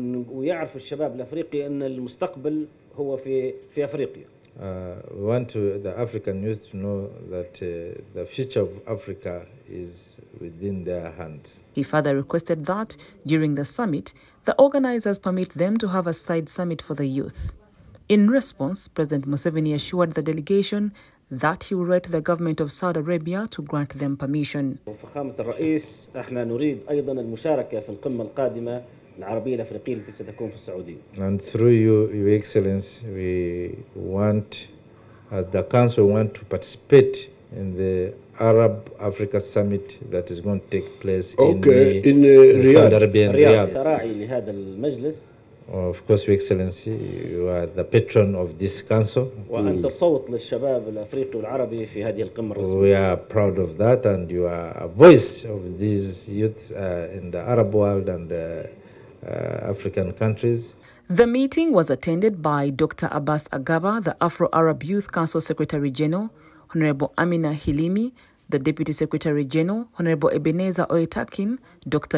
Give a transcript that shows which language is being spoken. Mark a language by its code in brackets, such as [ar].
[ar] ويعرف الشباب الأفريقي أن المستقبل هو في أفريقيا. [en] We want to, the African youth to know that the future of Africa is within their hands. He further requested that during the summit, the organizers permit them to have a side summit for the youth. In response, President Museveni assured the delegation that he will write to the government of Saudi Arabia to grant them permission. [ar] فخامة الرئيس احنا نريد ايضا المشاركة في القمة القادمة العربية الافريقية التي ستكون في السعودية. [en] And through you, Your Excellency, we want, as the council, want to participate in the Arab Africa Summit that is going to take place in Saudi Arabia in [ar] Riyadh. راعي لهذا المجلس. [en] Of course, Your Excellency, you are the patron of this council. [ar] وأنت صوت للشباب الأفريقي والعربي في هذه القمة الرسمية. [en] We are proud of that, and you are a voice of these youth in the Arab world and the African countries. The meeting was attended by Dr. Abbas Agaba, the Afro-Arab Youth Council Secretary General, Honorable Amina Hilimi, the Deputy Secretary General, Honorable Ebenezer Oetakin, Dr.